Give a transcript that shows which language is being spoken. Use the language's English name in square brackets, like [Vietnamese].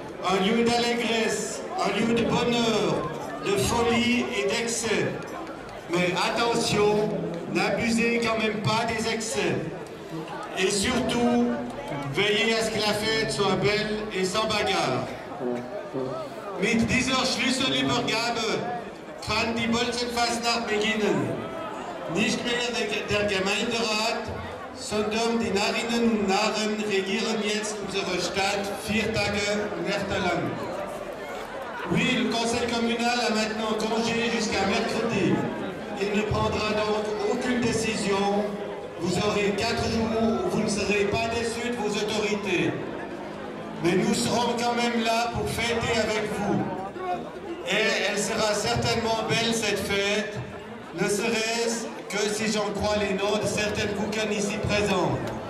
[French] Un lieu d'allégresse, un lieu de bonheur, de folie et d'excès. Mais attention, n'abusez quand même pas des excès. Et surtout, veillez à ce que la fête soit belle et sans bagarre. [German] Mit dieser Schlüsselübergabe kann die Bolzenfastnacht beginnen. Nicht mehr der Gemeinderat, sondern die Narrinnen und Narren regieren jetzt unsere Stadt vier Tage Nächte lang. [French] Oui, le conseil communal a maintenant congé jusqu'à mercredi. Il ne prendra donc aucune décision. Vous aurez quatre jours où vous ne serez pas déçus de vos autorités. Mais nous serons quand même là pour fêter avec vous. Et elle sera certainement belle cette fête, ne serait-ce que si j'en crois les noms de certaines boucanes ici présentes.